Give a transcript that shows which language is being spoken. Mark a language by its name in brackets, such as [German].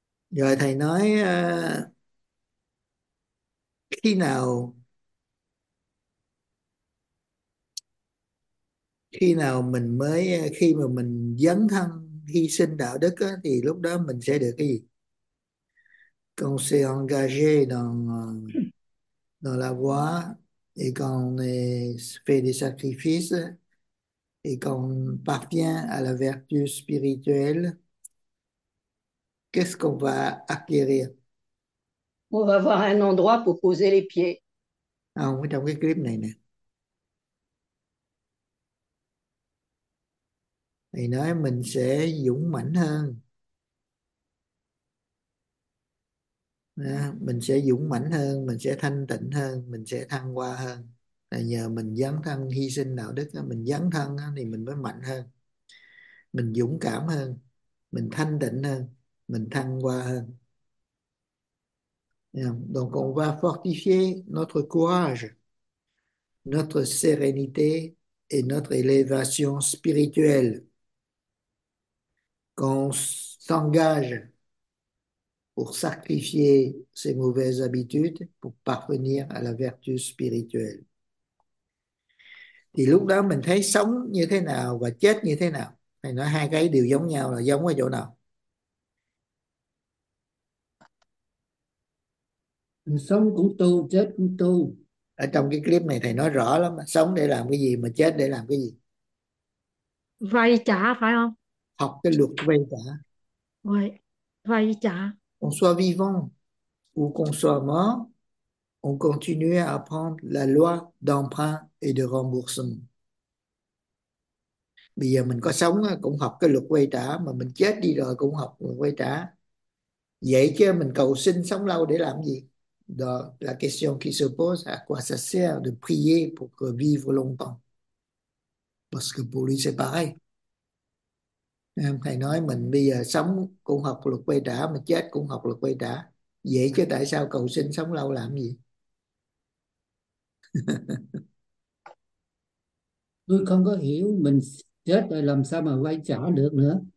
[Vietnamese] Rồi thầy nói khi nào mình mới khi mà mình dấn thân hy sinh đạo đức á, thì lúc đó mình sẽ được cái gì? [French] Con s'est engagé dans dans la voie et qu'on fait des sacrifices et qu'on parvient à la vertu spirituelle, qu'est-ce qu'on va acquérir? On va avoir un endroit pour poser les pieds. À, on est dans le clip [Vietnamese] này nè. Thì nói mình sẽ dũng mãnh hơn. À, mình sẽ dũng mãnh hơn, mình sẽ thanh tịnh hơn, mình sẽ thăng hoa hơn. Là nhờ mình dấn thân hy sinh đạo đức, mình dấn thân thì mình mới mạnh hơn. Mình dũng cảm hơn, mình thanh tịnh hơn, mình thăng hoa hơn. [French] Donc on va fortifier notre courage, notre sérénité et notre élévation spirituelle. Qu'on s'engage pour sacrifier ses mauvaises habitudes pour parvenir à la vertu spirituelle. [Vietnamese] Thì lúc đó mình thấy sống như thế nào và chết như thế nào? Thầy nói hai cái đều giống nhau là giống ở chỗ nào? Mình sống cũng tu, chết cũng tu. Ở trong cái clip này thầy nói rõ lắm, sống để làm cái gì mà chết để làm cái gì? Vay trả phải không? Học cái luật vay trả. Vay, vay trả. [French] Qu'on soit vivant ou qu'on soit mort, on continue à apprendre la loi d'emprunt et de remboursement. [Vietnamese] Bây giờ mình có sống cũng học cái luật quay trả, mà mình chết đi rồi cũng học luật quay trả. Vậy chứ mình cầu xin sống lâu để làm gì? Đó là [French] question qui se pose, à quoi ça sert de prier pour vivre longtemps? Parce que pour lui c'est pareil. [Vietnamese] Em thầy nói mình bây giờ sống cũng học luật quay trả mà chết cũng học luật quay trả. Vậy chứ tại sao cầu sinh sống lâu làm gì? Tôi không có hiểu mình chết rồi làm sao mà quay trả được nữa.